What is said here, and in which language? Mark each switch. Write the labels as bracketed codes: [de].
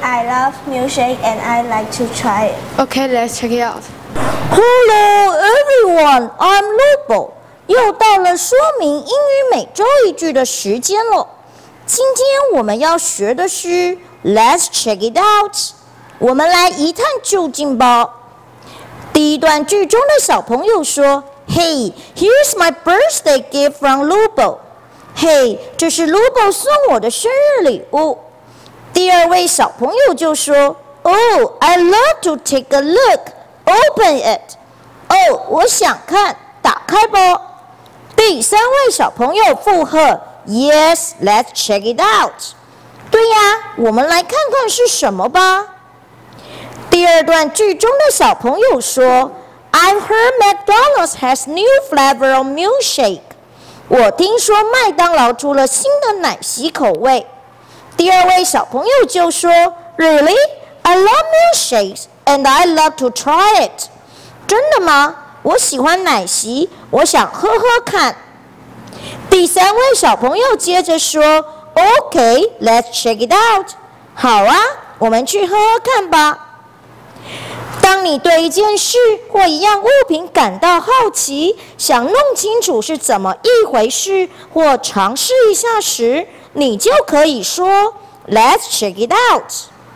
[en] I love milkshake and I'd like to try it. Okay, let's check it out. Hello everyone, I'm Lupo. [zh] 又到了说明英语每周一句的时间了。今天我们要学的是 Let's check it out. 我们来一探究竟吧。第一段句中的小朋友说 Hey, here's my birthday gift from Lupo. Hey, 这是 Lupo 送我的生日礼物。 [en] 第二位小朋友就说 Oh, I'd love to take a look. Open it. [zh] Oh, 我想看，打开吧。第三位小朋友附和 Yes, let's check it out. 对呀，我们来看看是什么吧。 [en] 第二段句中的小朋友说 I've heard McDonald's has new flavor of milkshake. [zh] 我听说麦当劳出了新的奶昔口味。第二位小朋友就说 Really? [en] I love milkshakes and I love to try it. [zh] 真的吗？我喜欢奶昔，我想喝喝看。 [en] 第三位小朋友接着说 OK, let's check it out. [zh] 好啊，我们去喝喝看吧。当你对一件事或一样物品感到好奇，想弄清楚是怎么一回事或尝试一下时，你就可以说 Let's check it out.